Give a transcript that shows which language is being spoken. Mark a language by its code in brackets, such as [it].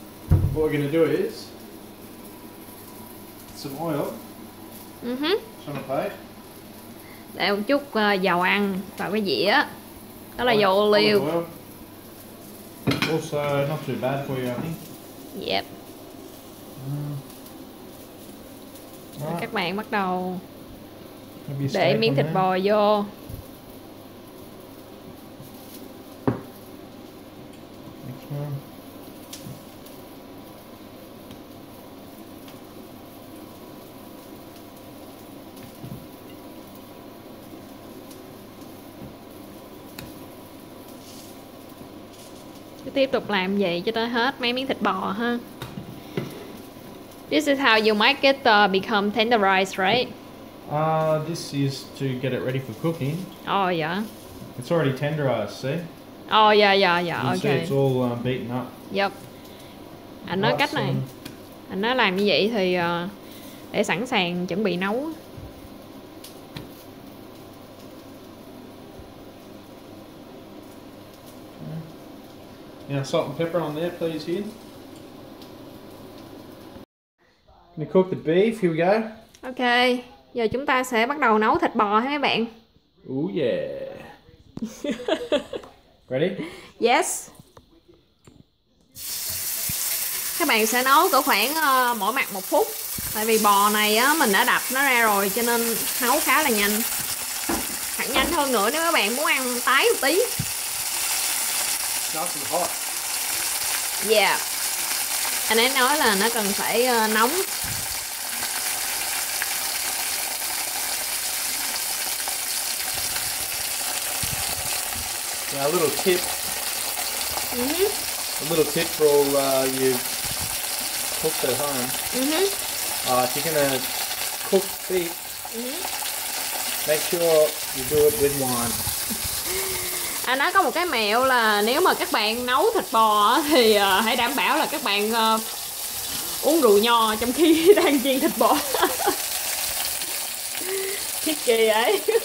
[en] What we're going to do is some oil. Some plate. [vi] Để một chút dầu ăn vào cái dĩa. Đó là dầu [en] olive oil. Also not too bad for you, I think. Yep. Right. [vi] Các bạn bắt đầu để miếng thịt bò vô. Tiếp tục làm vậy cho tới hết mấy miếng thịt bò ha. [en] This is how you might get the become tenderized, right? This is to get it ready for cooking. Oh yeah. It's already tenderized, see? Oh yeah, yeah, yeah. You okay. See it's all beaten up. [vi] Yep. Anh nói cách này. Anh nói làm như vậy thì để sẵn sàng chuẩn bị nấu. [en] Now salt and pepper on there, please, Hugh. Gonna cook the beef, here we go. [vi] Okay, giờ chúng ta sẽ bắt đầu nấu thịt bò hả mấy bạn? [en] Ooh yeah. Ready? Yes. [vi] Các bạn sẽ nấu cỡ khoảng mỗi mặt 1 phút. Tại vì bò này á, mình đã đập nó ra rồi cho nên nấu khá là nhanh. Hẳn nhanh hơn nữa nếu các bạn muốn ăn tái một tí. [en] Nice and hot. Yeah. [vi] Anh ấy nói là nó cần phải nóng. [en] Now a little tip. A little tip for all you cooks at home. If you're gonna cook beef, make sure you do it with wine. [vi] À, nó có một cái mẹo là nếu mà các bạn nấu thịt bò thì hãy đảm bảo là các bạn uống rượu nho trong khi đang chiên thịt bò. Thiết kỳ vậy.